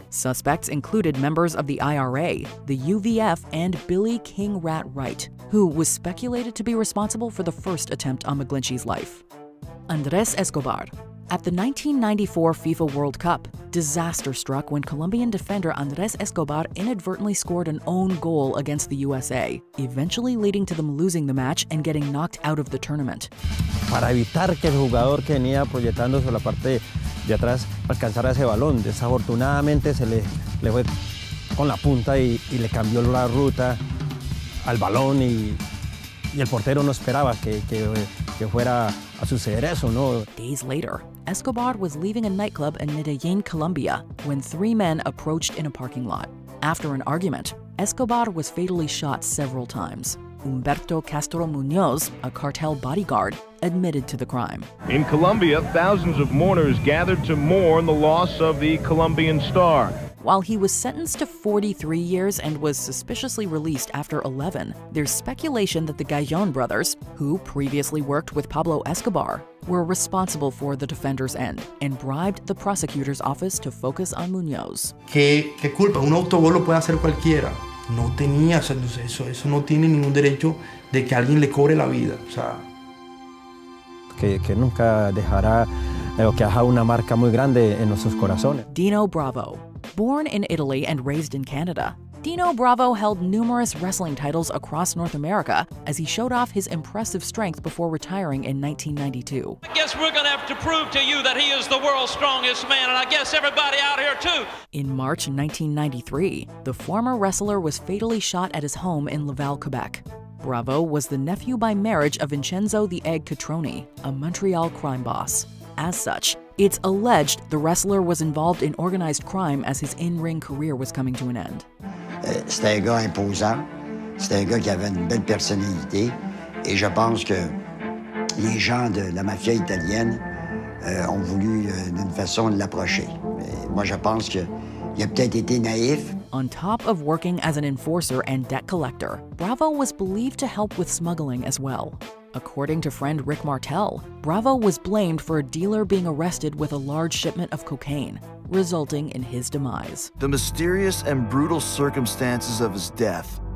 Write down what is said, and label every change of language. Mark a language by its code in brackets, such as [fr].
[en] Suspects included members of the IRA, the UVF, and Billy King Rat Wright, who was speculated to be responsible for the first attempt on McGlinchey's life. Andrés Escobar. At the 1994 FIFA World Cup, disaster struck when Colombian defender Andrés Escobar inadvertently scored an own goal against the USA, eventually leading to them losing the match and getting knocked out of the tournament. [es] Para evitar que el jugador que venía proyectándose la parte de atrás alcanzara ese balón, desafortunadamente se le fue con la punta y le cambió la ruta al balón y el portero no esperaba que fuera a suceder eso, ¿no? [en] Days later, Escobar was leaving a nightclub in Medellin, Colombia, when three men approached in a parking lot. After an argument, Escobar was fatally shot several times. Humberto Castro Munoz, a cartel bodyguard, admitted to the crime. In Colombia, thousands of mourners gathered to mourn the loss of the Colombian star. While he was sentenced to 43 years and was suspiciously released after 11, there's speculation that the Gallon brothers, who previously worked with Pablo Escobar, were responsible for the defender's end and bribed the prosecutor's office to focus on Munoz. [es] ¿Qué culpa? Un autogol lo puede hacer cualquiera. No tenía, o sea, eso no tiene ningún derecho de que alguien le cobre la vida. O sea, que nunca dejará lo que deja una marca muy grande en nuestros corazones. [en] Dino Bravo. Born in Italy and raised in Canada, Dino Bravo held numerous wrestling titles across North America as he showed off his impressive strength before retiring in 1992. I guess we're going to have to prove to you that he is the world's strongest man, and I guess everybody out here too. In March 1993, the former wrestler was fatally shot at his home in Laval, Quebec. Bravo was the nephew by marriage of Vincenzo the Egg Catroni, a Montreal crime boss. As such, it's alleged the wrestler was involved in organized crime as his in-ring career was coming to an end. [fr] C'était un gars imposant. C'était un gars qui avait une belle personnalité. Et je pense que les gens de la mafia italienne ont voulu d'une façon de l'approcher. Moi, je pense qu'il a peut-être été naïf. [en] On top of working as an enforcer and debt collector, Bravo was believed to help with smuggling as well. According to friend Rick Martel, Bravo was blamed for a dealer being arrested with a large shipment of cocaine, resulting in his demise. The mysterious and brutal circumstances of his death